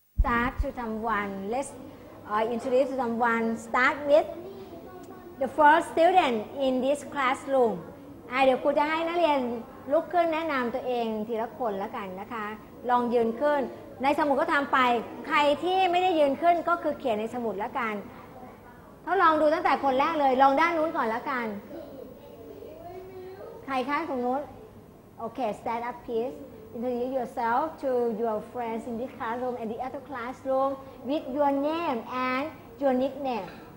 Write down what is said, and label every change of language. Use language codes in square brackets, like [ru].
[en] Start to someone. Let's introduce someone. Start with the first student in this classroom. [th] เดี๋ยวครูจะให้นักเรียนลุกขึ้นแนะนำตัวเองทีละคนละกันนะคะลองยืนขึ้นในสมุดก็ทำไปใครที่ไม่ได้ยืนขึ้นก็คือเขียนในสมุดละกันทดลองดูตั้งแต่คนแรกเลยลองด้านนู้นก่อนละกันใครคะตรงนู้นโอเค [en] stand up pleaseIntroduce yourself to your friends in this classroom and the other classroom with your name and your nickname.